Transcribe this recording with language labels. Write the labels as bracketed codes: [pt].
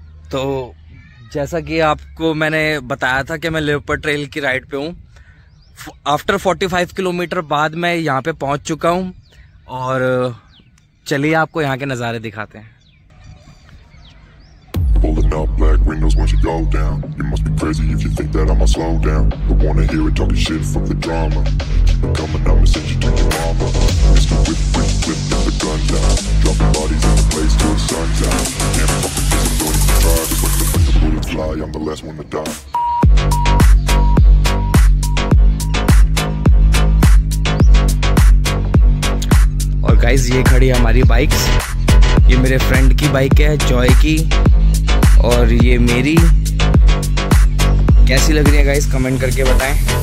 [hi] तो जैसा कि आपको मैंने बताया था कि मैं लियोपर्ड ट्रेल की राइड पे हूँ, आफ्टर 45 किलोमीटर बाद मैं यहाँ पे पहुँच चुका हूँ, और चलिए आपको यहाँ के नज़ारे दिखाते हैं। [en] Pulling up black windows once you go down. You must be crazy if you think that I'ma slow down. I wanna hear it talking shit from the drama. I'm coming up and send you to your mama. Mr. Whip, get the gun down. Dropping bodies in the place till the sun's down. Can't fucking miss, I'm going to try. Just like the bullet fly, I'm the last one to die. [hi] और guys ये खड़ी हमारी bikes, ये मेरे friend की bike है Joy की, और ये मेरी। कैसी लग रही है गाइस कमेंट करके बताएं।